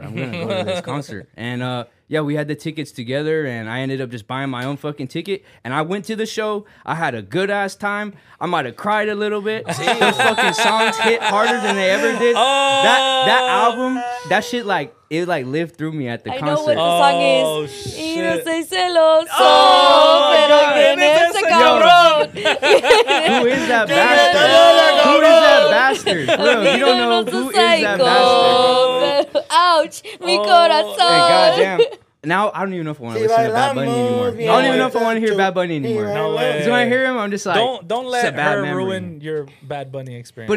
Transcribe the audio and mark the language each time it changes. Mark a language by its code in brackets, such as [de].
[en] I'm going to go to this concert. And, yeah, we had the tickets together, and I ended up just buying my own fucking ticket. And I went to the show. I had a good-ass time. I might have cried a little bit. Those fucking songs hit harder than they ever did. Oh. That album, that shit, like, it, like, lived through me at the concert. I know what the song is. Oh, shit. [es] Y no soy celoso, pero quien es el cabrón. [en] Who is that bastard? Who is that bastard? Bro, you don't know who is that bastard. [es] Ouch, mi corazón. [en] Hey, goddamn. Now, I don't even know if I want to listen to Bad Bunny anymore. I don't even know if I want to hear Bad Bunny anymore. No way. Because when I hear him, I'm just like, don't let her ruin your Bad Bunny experience.